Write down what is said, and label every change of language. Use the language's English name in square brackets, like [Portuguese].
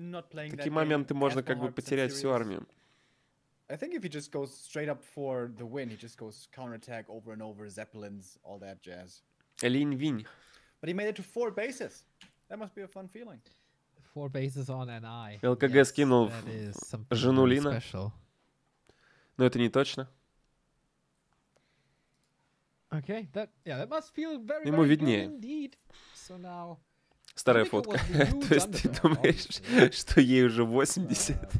[Russian] Такие моменты можно как бы потерять всю армию. [English] I think if he just goes straight up for the win, he just goes counterattack over and over, zeppelins, all that jazz. [Russian] Линь-винь. [English] But he made it to four bases. That must be a fun feeling. Four bases on an eye. [Russian] ЛКГ скинул жену Лина. Но это не точно. [English] Okay, that, yeah, that must feel very, [Russian] ему виднее. [English] So now... [Russian] Старая фотка. То есть ты думаешь, что ей уже 80?